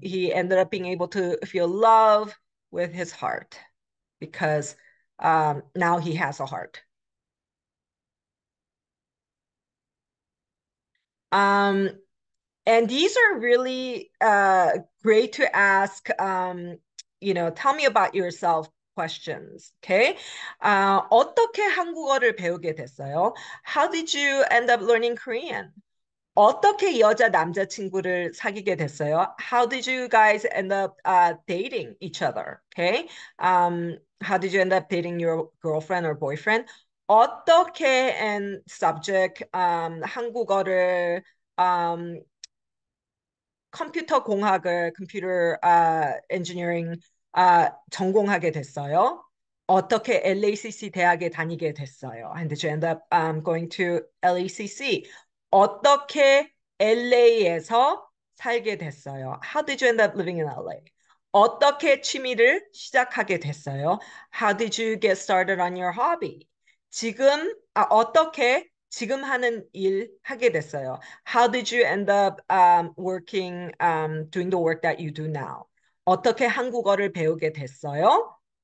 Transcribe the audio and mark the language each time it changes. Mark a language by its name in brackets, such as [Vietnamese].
[English] He ended up being able to feel love with his heart because now he has a heart. And these are really great to ask, you know, tell me about yourself questions, okay? [Korean] 어떻게 한국어를 배우게 됐어요? [English] How did you end up learning Korean? [Korean] 어떻게 여자 남자친구를 사귀게 됐어요? [English] How did you guys end up dating each other? Okay. How did you end up dating your girlfriend or boyfriend? [Korean] 어떻게 [English] and subject [Korean] 한국어를 컴퓨터 공학을 computer engineering 전공하게 됐어요? 어떻게 LACC 대학에 다니게 됐어요? [English] And did you end up going to LACC? [Korean] 어떻게 LA에서 살게 됐어요? [English] How did you end up living in LA? [Korean] 어떻게 취미를 시작하게 됐어요? [English] How did you get started on your hobby? [Korean] 지금, 어떻게 지금 하는 일 하게 됐어요? [English] How did you end up working, doing the work that you do now? [Korean] 어떻게 한국어를 배우게 됐어요?